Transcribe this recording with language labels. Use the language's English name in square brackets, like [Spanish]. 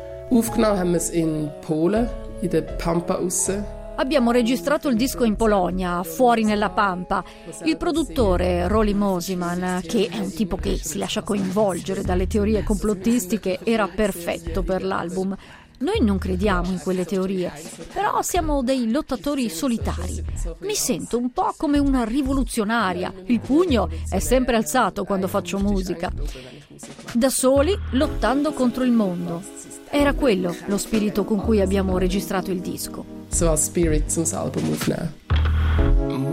[German] Aufgenommen haben wir es in Polen, in der Pampa usse. [Italian] Abbiamo registrato il disco in Polonia, fuori nella Pampa. Il produttore, Roly Mosiman, che è un tipo che si lascia coinvolgere dalle teorie complottistiche, era perfetto per l'album. Noi non crediamo in quelle teorie, però siamo dei lottatori solitari. Mi sento un po' come una rivoluzionaria. Il pugno è sempre alzato quando faccio musica. Da soli, lottando contro il mondo. Era quello lo spirito con cui abbiamo registrato il disco. So our spirit since album was now.